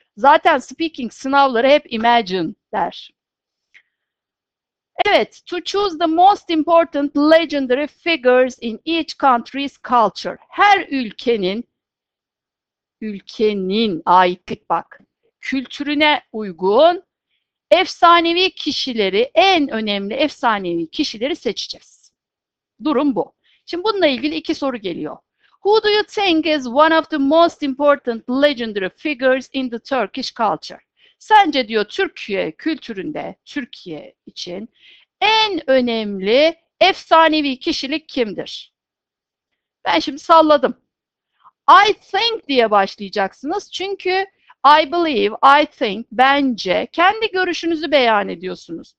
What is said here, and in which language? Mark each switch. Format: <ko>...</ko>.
<tr>Zaten speaking sınavları hep imagine der. Evet,</tr> <en>to choose the most important legendary figures in each country's culture.</en> <tr>Her ülkenin aitlik bak. Kültürüne uygun efsanevi kişileri, en önemli efsanevi kişileri seçeceğiz. Durum bu. Şimdi bununla ilgili 2 soru geliyor.</tr> <en>Who do you think is one of the most important legendary figures in the Turkish culture?</en> <tr>Sence diyor Türkiye kültüründe, Türkiye için en önemli efsanevi kişilik kimdir? Ben şimdi salladım.</tr> <en>I think</en> <tr>diye başlayacaksınız. Çünkü</tr> <en>I believe, I think,</en> <tr>bence kendi görüşünüzü beyan ediyorsunuz.</tr>